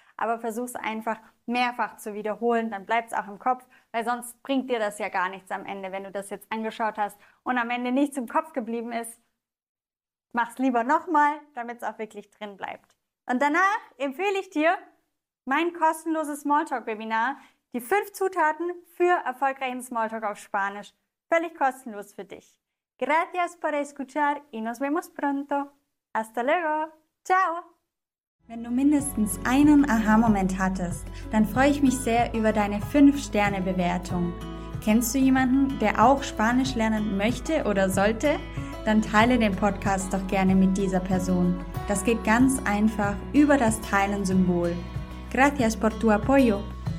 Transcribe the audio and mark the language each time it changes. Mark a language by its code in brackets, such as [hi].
[de] Aber versuch es einfach mehrfach zu wiederholen, dann bleibt es auch im Kopf, weil sonst bringt dir das ja gar nichts am Ende, wenn du das jetzt angeschaut hast und am Ende nichts im Kopf geblieben ist. Mach es lieber nochmal, damit es auch wirklich drin bleibt. Und danach empfehle ich dir mein kostenloses Smalltalk-Webinar, die 5 Zutaten für erfolgreichen Smalltalk auf Spanisch, völlig kostenlos für dich. [es] Gracias por escuchar y nos vemos pronto. Hasta luego. Ciao. [de] Wenn du mindestens einen Aha-Moment hattest, dann freue ich mich sehr über deine 5-Sterne-Bewertung. Kennst du jemanden, der auch Spanisch lernen möchte oder sollte? Dann teile den Podcast doch gerne mit dieser Person. Das geht ganz einfach über das Teilen-Symbol. [es] Gracias por tu apoyo.